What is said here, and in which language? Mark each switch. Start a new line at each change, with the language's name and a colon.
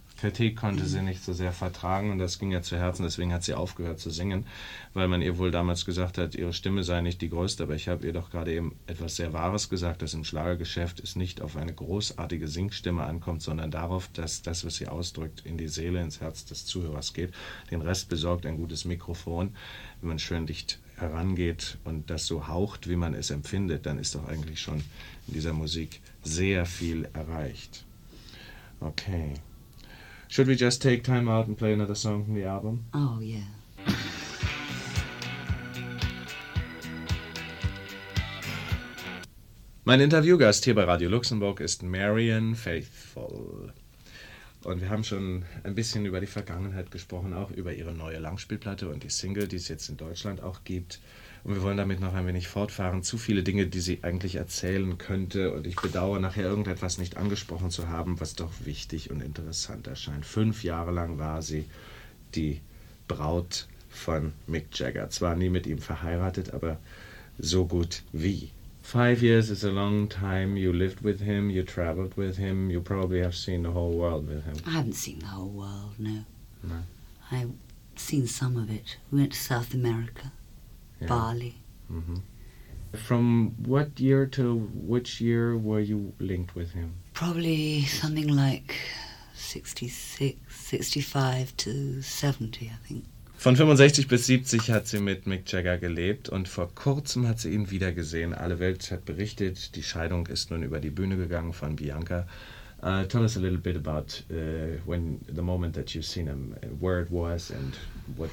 German: Kritik konnte sie nicht so sehr vertragen und das ging ihr zu Herzen, deswegen hat sie aufgehört zu singen, weil man ihr wohl damals gesagt hat, ihre Stimme sei nicht die größte, aber ich habe ihr doch gerade eben etwas sehr Wahres gesagt, dass im Schlagergeschäft es nicht auf eine großartige Singstimme ankommt, sondern darauf, dass das, was sie ausdrückt, in die Seele, ins Herz des Zuhörers geht. Den Rest besorgt ein gutes Mikrofon, wenn man schön dicht herangeht und das so haucht, wie man es empfindet, dann ist doch eigentlich schon in dieser Musik sehr viel erreicht.
English: Okay. Should we just take time out and play another song from the album? Oh, yeah.
German: Mein Interviewgast hier bei Radio Luxemburg ist Marianne Faithfull. Und wir haben schon ein bisschen über die Vergangenheit gesprochen, auch über ihre neue Langspielplatte und die Single, die es jetzt in Deutschland auch gibt. Und wir wollen damit noch ein wenig fortfahren. Zu viele Dinge, die sie eigentlich erzählen könnte. Und ich bedauere, nachher irgendetwas nicht angesprochen zu haben, was doch wichtig und interessant erscheint. 5 Jahre lang war sie die Braut von Mick Jagger. Zwar nie mit ihm verheiratet, aber so gut wie.
English: 5 years is a long time. You lived with him, you traveled with him. You probably have seen the whole world with him. I haven't seen the whole world, no. No? I've seen some of it. We went to South America. Bali. Mm-hmm. From what year to which year were you linked with him? Probably something like 66, 65 to 70, I think.
German: Von 65 bis 70 hat sie mit Mick Jagger gelebt und vor kurzem hat sie ihn wieder gesehen. Alle Welt hat berichtet, die Scheidung ist nun über die Bühne gegangen von Bianca.
English: Tell us a little bit about when the moment that you've seen him, where it was and what...